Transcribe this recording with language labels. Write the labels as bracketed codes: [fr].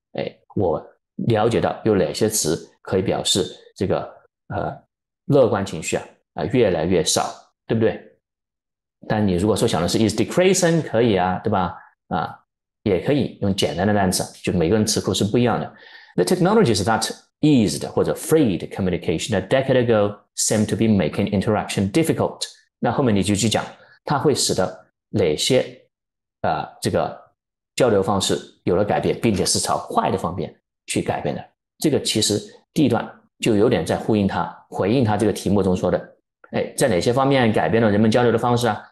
[zh] 哎，我了解到有哪些词可以表示这个乐观情绪越来越少，对不对？但你如果说想的是 [en] is decreasing， [zh] 可以啊，对吧？也可以用简单的单词，就每个人词库是不一样的。 [en] The technologies that eased [zh] 或者 [en] freed communication a decade ago seem to be making interaction difficult。 [zh] 那后面你就去讲，它会使得哪些这个交流方式有了改变，并且是朝坏的方面去改变的。这个其实第一段就有点在呼应他，回应他这个题目中说的，哎，在哪些方面改变了人们交流的方式啊？